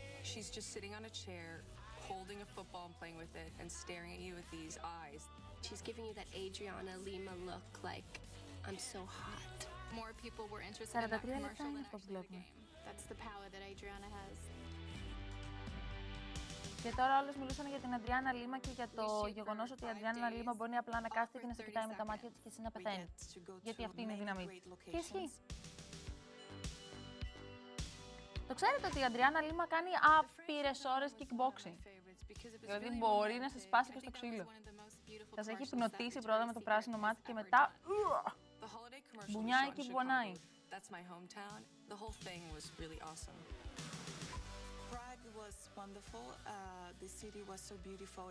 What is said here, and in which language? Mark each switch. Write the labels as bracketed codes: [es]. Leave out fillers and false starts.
[en] She's just sitting on a chair, holding a football and playing with it and staring at you with these eyes. She's giving you that Adriana Lima look like I'm so hot. More people were interested in that commercial than actually the game. That's the power that Adriana has. [el] Και τώρα όλες μιλούσαν για την Adriana Lima και για το γεγονός ότι η Adriana Lima μπορεί απλά να κάθεται και να σε κοιτάει με τα μάτια της και εσύ να πεθαίνεις. Γιατί αυτή είναι η δύναμη. Και ισχύει. Το ξέρετε ότι η Adriana Lima κάνει άπειρες ώρες kickboxing. Δηλαδή μπορεί να σε σπάσει και στο ξύλο. Θα σε έχει πνοτήσει πρώτα με το πράσινο μάτι και μετά... Μπουνιάκι Μπουανάι. [en] That's my hometown. The whole thing was really awesome. Pride was wonderful. The city was so beautiful.